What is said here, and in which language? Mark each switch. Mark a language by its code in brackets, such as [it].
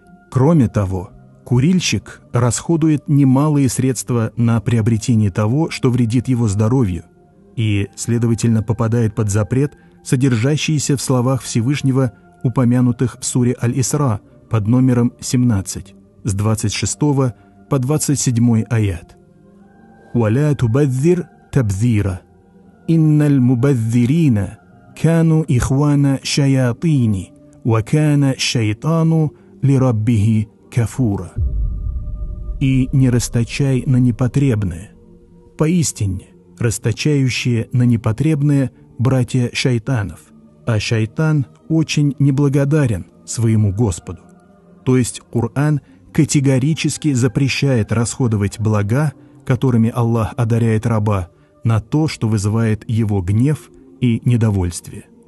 [ru] Кроме того, курильщик расходует немалые средства на приобретение того, что вредит его здоровью, и, следовательно, попадает под запрет, содержащийся в словах Всевышнего, упомянутых в суре Аль-Исра под номером 17, с 26 по 27 аят. [ar] ولا تبذر تبذيرا إن المبذرين كانوا إخوان شياطين وكان الشيطان لربه كفورا. [ru] И не расточай на непотребное. Поистине, расточающие на непотребное братья шайтанов, а шайтан очень неблагодарен своему Господу. То есть Коран категорически запрещает расходовать блага, которыми Аллах одаряет раба, на то, что вызывает его гнев и недовольствие.